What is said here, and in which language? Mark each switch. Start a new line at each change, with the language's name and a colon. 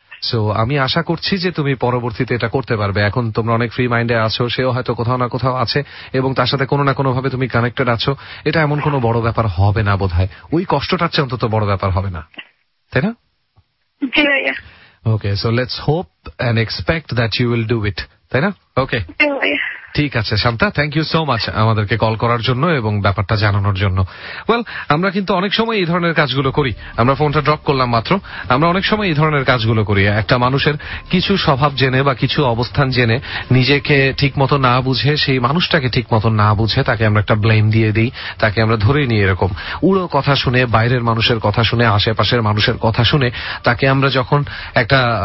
Bangla: So আমি আশা করছি যে তুমি পরবর্তীতে এটা করতে পারবে, এখন তোমরা অনেক ফ্রি মাইন্ডে আছো, সেও হয়তো কোথাও না কোথাও আছে এবং তার সাথে কোনো না কোনো ভাবে তুমি কানেক্টেড আছো, এটা এমন কোনো বড় ব্যাপার হবে না বোধ হয়, ওই কষ্টটার চেয়ে অন্তত বড় ব্যাপার হবে না, তাই না?
English: Okay, so let's hope and expect that you will do it.
Bangla: Taina?
English: Okay.
Bangla: ঠিক আছে Shanta,
English: thank you so much
Bangla: আমাদেরকে কল করার জন্য এবং ব্যাপারটা জানানোর জন্য। ওয়েল, আমরা কিন্তু অনেক সময় এই ধরনের কাজগুলো করি, আমরা ফোনটা ড্রপ করলাম মাত্র, আমরা অনেক সময় এই ধরনের কাজগুলো করি, একটা মানুষের কিছু স্বভাব জেনে বা কিছু অবস্থান জেনে নিজেকে ঠিক মতো না বুঝে, সেই মানুষটাকে ঠিক মতো না বুঝে তাকে আমরা একটা ব্লেম দিয়ে দিই, তাকে আমরা ধরে নিই, এরকম উড়ো কথা শুনে, বাইরের মানুষের কথা শুনে, আশেপাশের মানুষের কথা শুনে তাকে আমরা যখন একটা